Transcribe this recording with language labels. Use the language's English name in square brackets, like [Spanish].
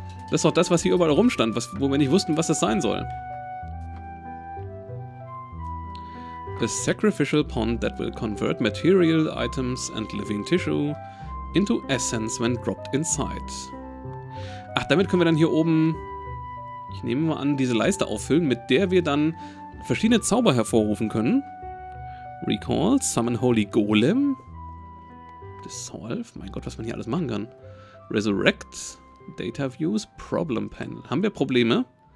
[German] Das ist doch das, was hier überall rumstand, wo wir nicht wussten, was das sein soll. [English] A sacrificial pond that will convert material items and living tissue into essence when dropped inside. [German] Ach, damit können wir dann hier oben, ich nehme mal an, diese Leiste auffüllen, mit der wir dann verschiedene Zauber hervorrufen können. [English] Recall, summon holy golem. Dissolve, [German] mein Gott, was man hier alles machen kann. [English] Resurrect, data views, problem panel. [German] Haben wir Probleme?